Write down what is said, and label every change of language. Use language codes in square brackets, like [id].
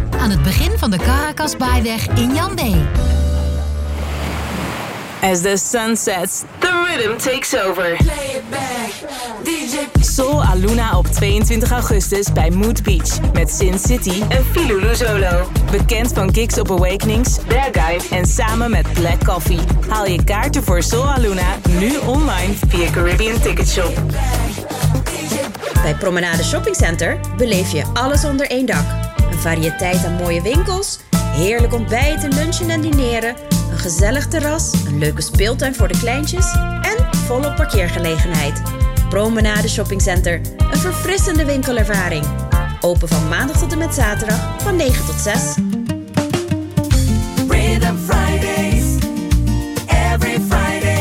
[nl] Aan het begin van de Caracasbaaiweg in Yandé. [en] As the sun sets, the rhythm takes over. Play it back, DJ. [nl] Sol Aluna op 22 augustus bij Mood Beach. Met Sin City en Filulu Solo. Bekend van Gigs of Awakenings, Bear Guide en samen met Black Coffee. Haal je kaarten voor Sol Aluna nu online via Caribbean Ticket Shop. Bij Promenade Shopping Center beleef je alles onder één dak. Een variëteit aan mooie winkels, heerlijk ontbijten, lunchen en dineren, een gezellig terras, een leuke speeltuin voor de kleintjes en volop parkeergelegenheid. Promenade Shopping Center, een verfrissende winkelervaring. Open van maandag tot en met zaterdag van 9 tot 6. [en] Rhythm Fridays, every Friday.